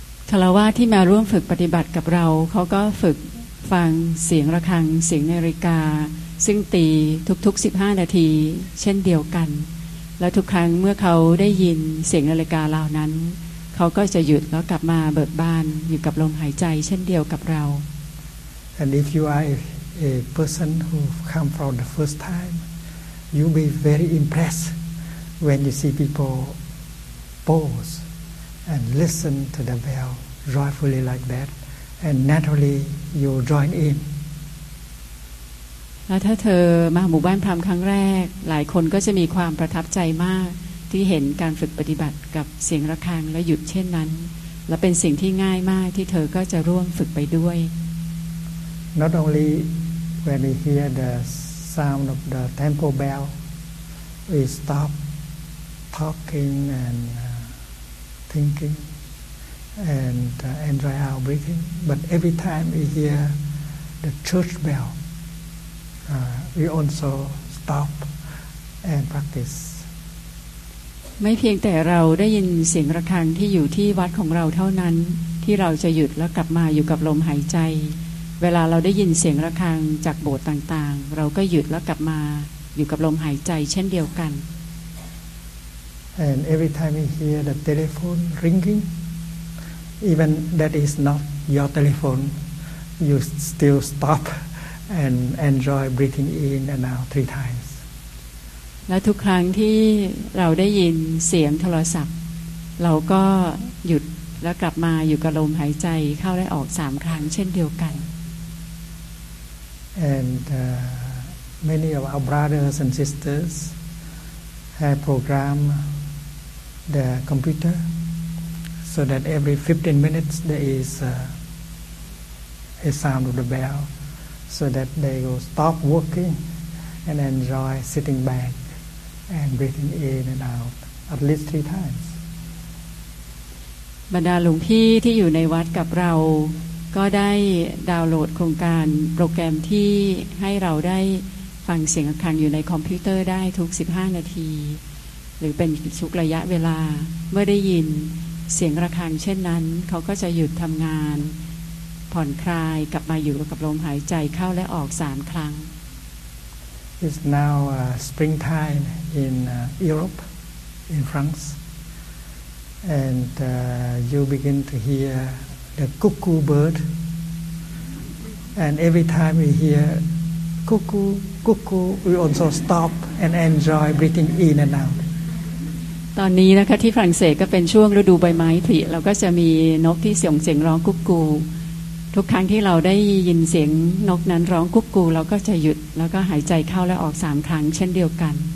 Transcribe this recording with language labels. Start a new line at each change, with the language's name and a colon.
Thai: คารวาที่มาร่วมฝึกปฏิบัติกับเราเขาก็ฝึกฟังเสียงระฆังเสียงนาฬิกาซึ่งตีทุกๆ15นาทีเช่นเดียวกันแล้วทุกครั้งเมื่อเขาได้ยินเสียงนาฬิกาเหล่านั้นเขาก็จะหยุดแล้วกลับมาเบิกบานอยู่กับลมหายใจเช่นเดียวกับเรา
English: And if you are a person who come from the first time you be very impressed when you see people poseAnd listen to the bell joyfully like that, and naturally you join in.
Thai: แล้วถ้าเธอมาหมู่บ้านพรามครั้งแรกหลายคนก็จะมีความประทับใจมากที่เห็นการฝึกปฏิบัติกับเสียงระฆังและหยุดเช่นนั้นและเป็นสิ่งที่ง่ายมากที่เธอก็จะร่วมฝึกไปด้วย
English: Not only when we hear the sound of the temple bell, we stop talking andThinking and enjoy our breathing, but every time we hear the church bell, we also stop and practice.
Thai: ไม่เพียงแต่เราได้ยินเสียงระฆังที่อยู่ที่วัดของเราเท่านั้นที่เราจะหยุดแล้วกลับมาอยู่กับลมหายใจเวลาเราได้ยินเสียงระฆังจากโบสถ์ต่างๆเราก็หยุดแล้วกลับมาอยู่กับลมหายใจเช่นเดียวกัน
English: And every time you hear the telephone ringing, even that is not your telephone, you still stop and enjoy breathing in and out three times.
Thai: และทุกครั้งที่เราได้ยินเสียงโทรศัพท์เราก็หยุดแล้วกลับมาอยู่กับลมหายใจเข้าและออกสามครั้งเช่นเดียวกัน
English: And many of our brothers and sisters have programThe computer, so that every 15 minutes there is a sound of the bell so that they will stop working and enjoy sitting back and breathing in and out at least 3 times.
Thai: บรรดาหลวงพี่ที่อยู่ในวัดกับเราก็ได้ดาวน์โหลดโครงการโปรแกรมที่ให้เราได้ฟังเสียงอัคคังอยู่ในคอมพิวเตอร์ได้ทุก15นาทีหรือเป็นทุกระยะเวลาเมื่อได้ยินเสียงระฆังเช่นนั้นเขาก็จะหยุดทำงานผ่อนคลายกลับมาอยู่กับลมหายใจเข้าและออก3ครั้ง
English: It's now springtime in Europe, in France. And you begin to hear the cuckoo bird. And every time we hear cuckoo, cuckoo, we also stop and enjoy breathing in and out.
Thai: ตอนนี้นะคะที่ฝรั่งเศสก็เป็นช่วงฤดูใบไม้ผลิเราก็จะมีนกที่เสียงเสียงร้องกุ๊กกูทุกครั้งที่เราได้ยินเสียงนกนั้นร้องกุ๊กกูเราก็จะหยุดแล้วก็หายใจเข้าและออก3ครั้งเช่นเดียวกัน